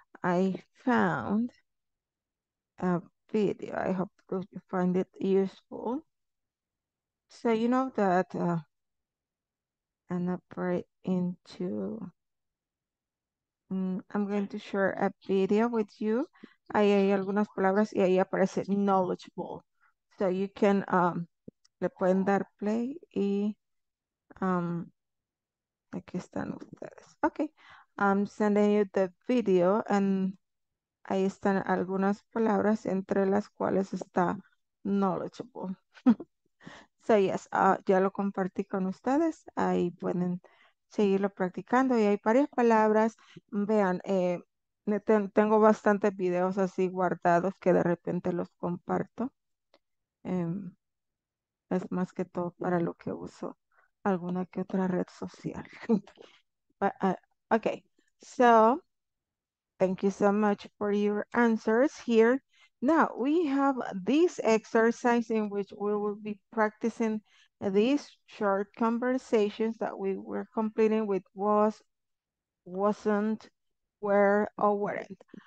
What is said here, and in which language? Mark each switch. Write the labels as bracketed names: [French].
[English] I found a video. I hope you find it useful. So, you know that an operate into. I'm going to share a video with you. [Spanish] Ahí hay algunas palabras y ahí aparece knowledgeable. [English] So you can, [Spanish] le pueden dar play y aquí están ustedes. [English] Okay, I'm sending you the video and [Spanish] ahí están algunas palabras entre las cuales está knowledgeable. [English] So yes, [Spanish] ya lo compartí con ustedes. Ahí pueden seguirlo practicando y hay varias palabras. Vean, tengo bastantes videos así guardados que de repente los comparto. Es más que todo para lo que uso alguna que otra red social. [English] Okay, so thank you so much for your answers here. Now we have this exercise in which we will be practicing these short conversations that we were completing with was, wasn't, were, or weren't.